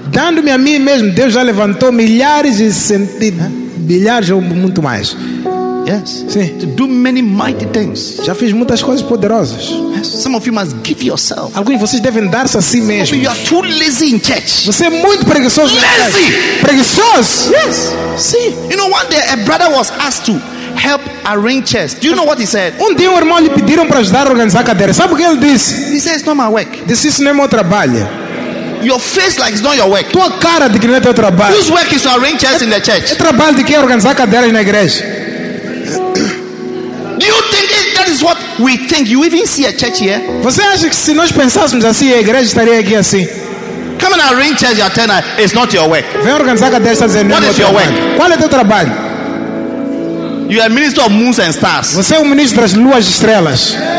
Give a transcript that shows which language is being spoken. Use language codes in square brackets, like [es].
[pt] Dando-me a mim mesmo, Deus já levantou milhares e centenas. Milhares ou muito mais. [en] Yes. [pt] Sim. [en] To do many mighty things. [pt] Já fiz muitas coisas poderosas. [en] Yes. Some of you must give yourself. [pt] Alguns de vocês devem dar-se a si mesmo. [en] You are too lazy in church. [pt] Você é muito preguiçoso. [en] Lazy. [pt] Preguiçoso. [en] Yes. See. You know, one day a brother was asked to help arrange chairs. Do you know what he said? [pt] Um dia um irmão lhe pediram para ajudar a organizar cadeiras. Sabe o que ele disse? [en] He said it's not my work. [pt] Disse isso não é meu trabalho. [en] Your face like it's not your work. [pt] Tua cara de que não é teu trabalho. [en] Whose work is to arrange chairs in the church? [pt] É trabalho de quem é organizar cadeiras na igreja. [en] Do you think that is what we think? You even see a church here? [pt] Você acha que se nós pensássemos assim, a igreja estaria aqui assim? [en] Come and arrange chairs, your turn. It's not your work. [pt] Vem organizar cadeiras, não é meu trabalho. Qual é teu trabalho? [en] You are minister of moons and stars. [pt] Você é o ministro das luas e estrelas.